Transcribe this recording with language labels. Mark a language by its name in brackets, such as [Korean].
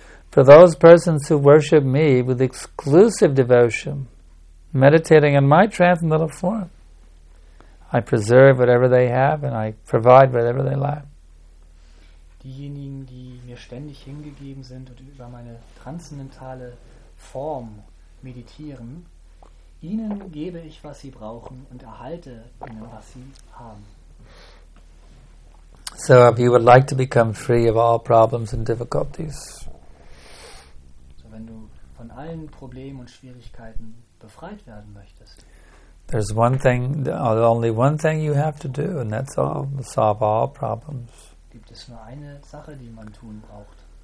[English] For those persons who worship me with exclusive devotion, meditating in my transcendental form, I preserve whatever they have and I provide whatever they lack. [German] Diejenigen, die mir ständig hingegeben sind und über meine transzendentale Form meditieren, ihnen gebe ich, was sie brauchen und erhalte ihnen, was sie haben. [English] So, if you would like to become free of all problems and difficulties, [German] wenn du von allen Problemen und Schwierigkeiten befreit werden möchtest. [English] There's one thing, only one thing you have to do, and that's all, solve all problems. [German] Gibt es nur eine Sache, die man tun braucht.